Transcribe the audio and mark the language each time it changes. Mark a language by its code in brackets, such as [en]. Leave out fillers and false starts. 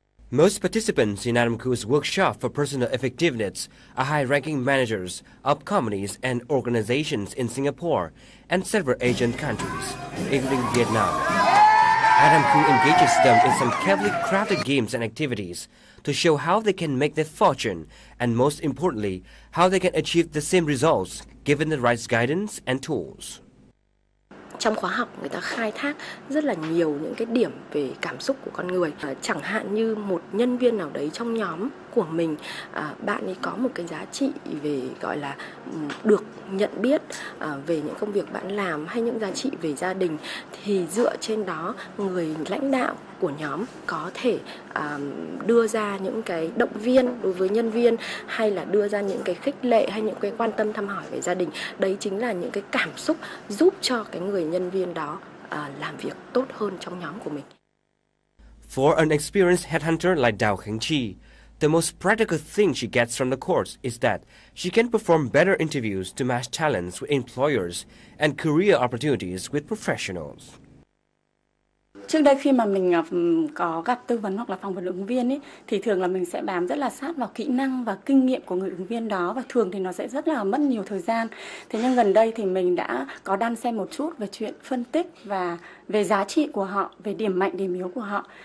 [en] Most participants in Adam Koo's workshop for personal effectiveness are high-ranking managers of companies and organizations in Singapore and several Asian countries, including Vietnam. Adam Koo engages them in some carefully crafted games and activities to show how they can make their fortune and, most importantly, how they can achieve the same results given the right guidance and tools. [vi] Trong khóa học người ta khai thác rất là nhiều những cái điểm về cảm xúc của con người. Chẳng hạn như một nhân viên nào đấy trong nhóm của mình, bạn ấy có một cái giá trị về gọi là được nhận biết về những công việc bạn làm hay những giá trị về gia đình, thì dựa trên đó người lãnh đạo của nhóm có thể đưa ra những cái động viên đối với nhân viên, hay là đưa ra những cái khích lệ hay những cái quan tâm thăm hỏi về gia đình. Đấy chính là những cái cảm xúc giúp cho cái người nhân viên đó làm việc tốt hơn trong nhóm của mình. [en] For an experienced headhunter like Đào Khánh Chi, the most practical thing she gets from the course is that she can perform better interviews to match talents with employers and career opportunities with professionals. [vi] Trước đây khi mà mình có gặp tư vấn hoặc là phỏng vấn ứng viên ý, thì thường là mình sẽ bám rất là sát vào kỹ năng và kinh nghiệm của người ứng viên đó, và thường thì nó sẽ rất là mất nhiều thời gian. Thế nhưng gần đây thì mình đã có đan xen một chút về chuyện phân tích và về giá trị của họ, về điểm mạnh, điểm yếu của họ.